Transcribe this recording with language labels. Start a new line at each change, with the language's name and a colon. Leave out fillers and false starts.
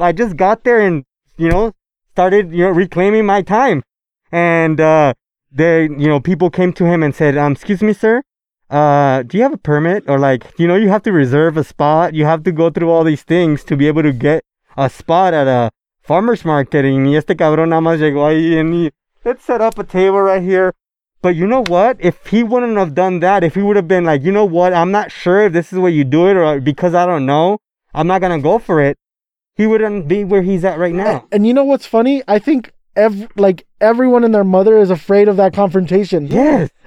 English: I just got there and, you know, started, you know, reclaiming my time." And then, you know, people came to him and said, "Excuse me, sir, do you have a permit? Or like, you know, you have to reserve a spot. You have to go through all these things to be able to get a spot at a farmer's market." And
Spanish: este cabrón nada más llegó ahí
English: and let's set up a table right here. But you know what? If he wouldn't have done that, if he would have been like, "You know what? I'm not sure if this is what you do it, or because I don't know, I'm not going to go for it," he wouldn't be where he's at right now. And you know what's funny? I think everyone and their mother is afraid of that confrontation. Yes.